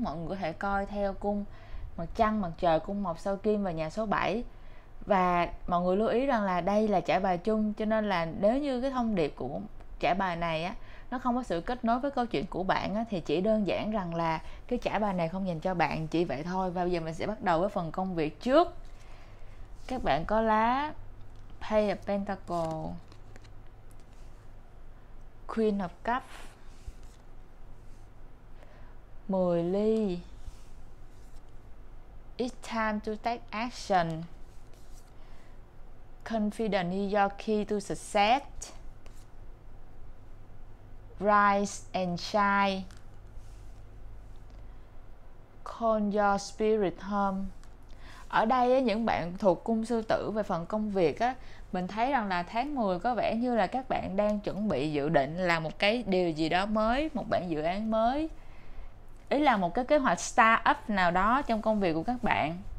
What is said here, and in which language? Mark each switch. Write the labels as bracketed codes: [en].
[vi] Mọi người có thể coi theo cung mặt trăng, mặt trời, cung mộc, sao kim và nhà số 7. Và mọi người lưu ý rằng là đây là trải bài chung, cho nên là nếu như cái thông điệp của trải bài này á, nó không có sự kết nối với câu chuyện của bạn á, thì chỉ đơn giản rằng là cái trải bài này không dành cho bạn, chỉ vậy thôi. Và bây giờ mình sẽ bắt đầu với phần công việc trước. Các bạn có lá [en] Page of Pentacles, Queen of Cups, 10 ly, It's time to take action, Confidence is your key to success, Rise and shine, Call your spirit home. [vi] Ở đây những bạn thuộc cung sư tử về phần công việc á, mình thấy rằng là tháng 10 có vẻ như là các bạn đang chuẩn bị dự định làm một cái điều gì đó mới, một bản dự án mới. Ý là một cái kế hoạch startup nào đó trong công việc của các bạn.